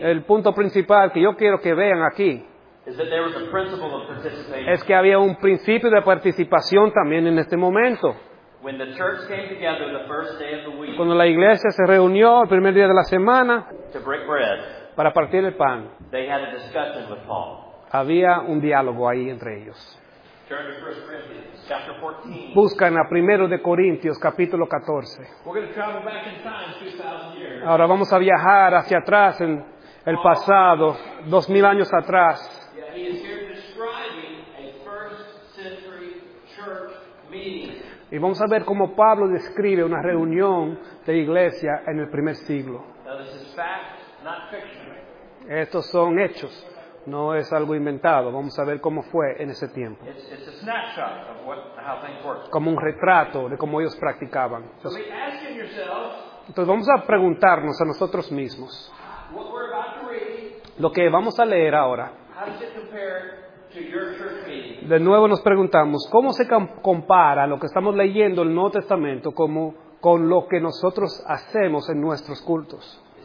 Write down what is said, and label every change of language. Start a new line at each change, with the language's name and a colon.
Spanish: el punto principal que yo quiero que vean aquí
English: is that there was a principle of participation.
Spanish: Es que había un principio de participación también en este momento.
English: When the church came together the first day of the week,
Spanish: cuando la iglesia se reunió el primer día de la semana
English: to break bread,
Spanish: para partir el pan,
English: they had a discussion with Paul.
Spanish: Había un diálogo ahí entre ellos.
English: Turn to 1 Corinthians, chapter 14.
Spanish: Buscan a 1 de Corintios, capítulo 14.
English: We're going to travel back in time 2,000 years.
Spanish: Ahora vamos a viajar hacia atrás en el pasado, 2,000 años atrás.
English: Yeah, he is here describing a first century church meeting.
Spanish: Y vamos a ver cómo Pablo describe una reunión de iglesia en el primer siglo.
English: Now this is fact. Not fiction.
Spanish: Estos son hechos, no es algo inventado. Vamos a ver cómo fue en ese tiempo.
English: It's a snapshot of how things worked.
Spanish: Como un retrato de cómo ellos practicaban. Entonces vamos a preguntarnos a nosotros mismos.
English: What we're about to read,
Spanish: lo que vamos a leer ahora.
English: How does it compare to your church meeting?
Spanish: De nuevo nos preguntamos, ¿cómo se compara lo que estamos leyendo el Nuevo Testamento como con lo que nosotros hacemos en nuestros cultos?